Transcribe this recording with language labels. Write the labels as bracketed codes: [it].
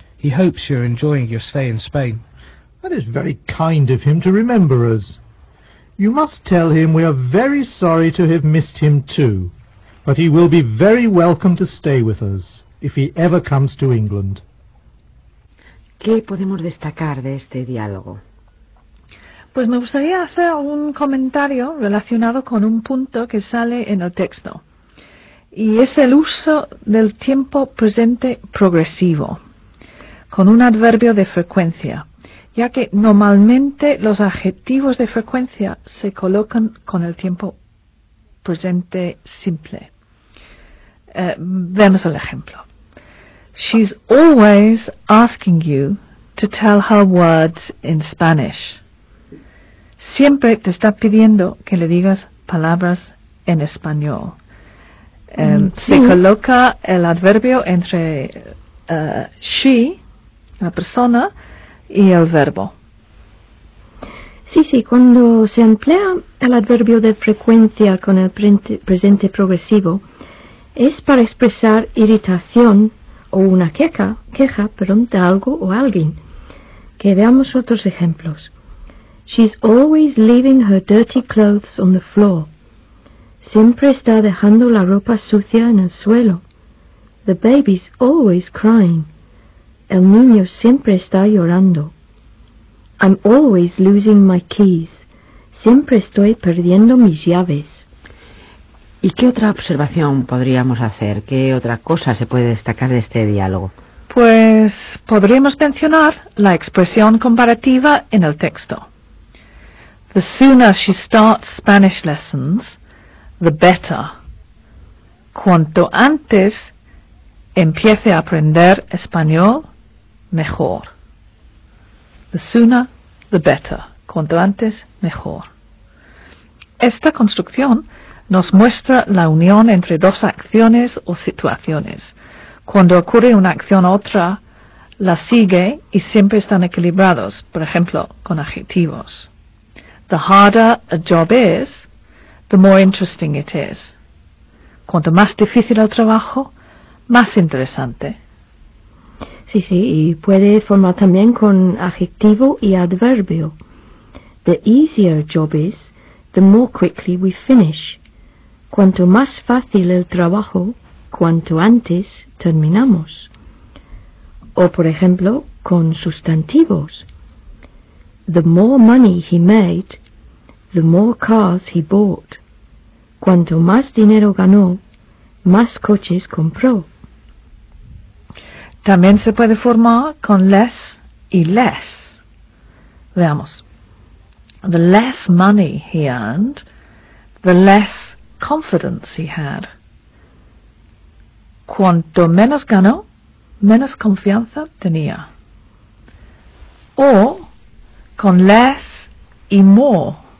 [en] He hopes you're enjoying your stay in Spain. That is very kind of him to remember us. You must tell him we are very sorry to have missed him too, but he will be very welcome to stay with us if he ever comes to England. [es] ¿Qué podemos destacar de este diálogo? Pues me gustaría hacer un comentario relacionado con un punto que sale en el texto. Y es el uso del tiempo presente progresivo, con un adverbio de frecuencia, ya que normalmente los adjetivos de frecuencia se colocan con el tiempo presente simple. Vemos el ejemplo. [en] She's always asking you to tell her words in Spanish. [es] Siempre te está pidiendo que le digas palabras en español. Sí. Se coloca el adverbio entre she, la persona, y el verbo. Sí, sí, cuando se emplea el adverbio de frecuencia con el presente progresivo, es para expresar irritación o una queja, perdón, de algo o alguien. Que veamos otros ejemplos. [en] She's always leaving her dirty clothes on the floor. [es] Siempre está dejando la ropa sucia en el suelo. [en] The baby's always crying. [es] El niño siempre está llorando. [en] I'm always losing my keys. [es] Siempre estoy perdiendo mis llaves. ¿Y qué otra observación podríamos hacer? ¿Qué otra cosa se puede destacar de este diálogo? Pues podríamos mencionar la expresión comparativa en el texto. [en] The sooner she starts Spanish lessons, the better. [es] Cuanto antes empiece a aprender español, mejor. [en] The sooner, the better. [es] Cuanto antes, mejor. Esta construcción nos muestra la unión entre dos acciones o situaciones. Cuando ocurre una acción u otra, la sigue y siempre están equilibrados, por ejemplo, con adjetivos. [en] The harder a job is, the more interesting it is. [es] Cuanto más difícil el trabajo, más interesante. Sí, sí, y puede formar también con adjetivo y adverbio. [en] The easier job is, the more quickly we finish. [es] Cuanto más fácil el trabajo, cuanto antes terminamos. O, por ejemplo, con sustantivos. [en] The more money he made, the more cars he bought. [es] Cuanto más dinero ganó, más coches compró. También se puede formar con less y less. Veamos. [en] The less money he earned, the less confidence he had. [es] Cuanto menos ganó, menos confianza tenía. O con less y more.